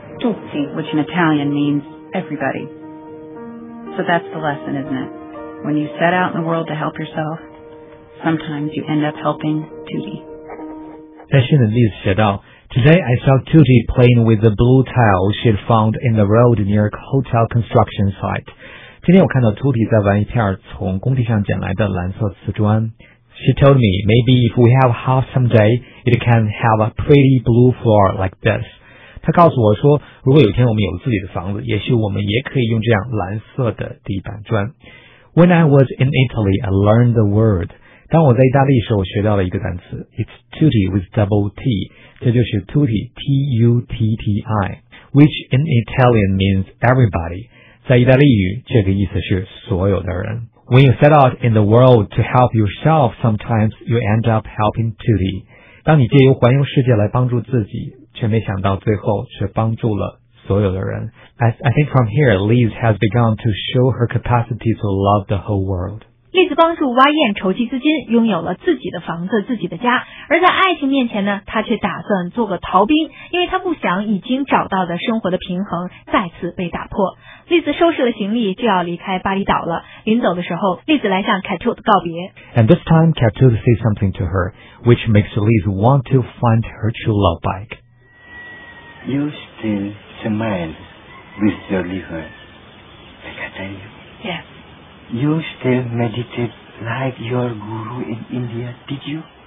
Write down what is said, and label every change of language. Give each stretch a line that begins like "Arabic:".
English: Tutti, which in Italian means everybody. So that's the lesson, isn't it? When you set out in the world to help yourself, sometimes you end up helping Tuti. Today I saw Tuti playing with the blue tile she had found in the road near a hotel construction site.
Chinese: 今天我看到 Tuti 在玩一片从工地上捡来的蓝色瓷砖。
English: She told me, maybe if we have a house someday, it can have a pretty blue floor like this.
Chinese: 她告诉我说，如果有一天我们有自己的房子，也许我们也可以用这样蓝色的地板砖。
English: When I was in Italy, I learned the word.
Chinese: 当我在意大利时，我学到了一个单词 ，
English: It's Tutti with double T，
Chinese: 这就是 Tutti,
English: T-U-T-T-I, which in Italian means everybody。
Chinese: 在意大利语，这个意思是所有的人。
English: When you set out in the world to help yourself, sometimes you end up helping Tutti。
Chinese: 当你借由环游世界来帮助自己，却没想到最后却帮助了所有的人。
English: I think from here, Liz has begun to show her capacity to love the whole world。
Chinese: 丽子帮助 Wayan 筹集资金，拥有了自己的房子、自己的家。而在爱情面前呢，她却打算做个逃兵，因为她不想已经找到的生活的平衡再次被打破。丽子收拾了行李，就要离开巴厘岛了。临走的时候，丽子来向 Catoot 告别。
English: And this time, Catoot says something to her, which makes Liz want to find her true love back. You still smile with your liver, like I tell you. Yeah. You still meditate like your guru in India, did you?